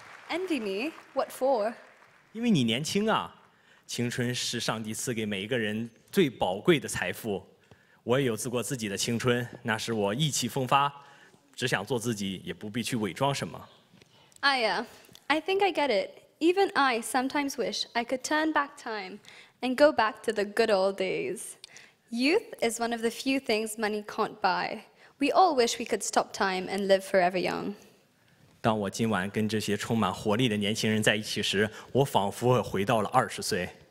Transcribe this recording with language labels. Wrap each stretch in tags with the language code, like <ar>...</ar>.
<en>Envy me? What for?</en> <zh>因为你年轻啊, 青春是上帝赐给每一个人最宝贵的财富。我也有自过自己的青春, 那时我意气风发, 只想做自己, 也不必去伪装什么。</zh> <en>Aya, I think I get it. Even I sometimes wish I could turn back time and go back to the good old days. Youth is one of the few things money can't buy. We all wish we could stop time and live forever young.</en> <zh>当我今晚跟这些充满活力的年轻人在一起时, 我仿佛回到了20岁。</zh>